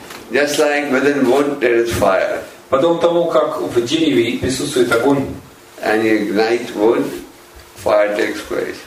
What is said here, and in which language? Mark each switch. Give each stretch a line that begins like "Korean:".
English: Just like within wood there is fire.
Russian: Подобно тому, как в дереве присутствует огонь.
English: And you ignite wood, fire takes place.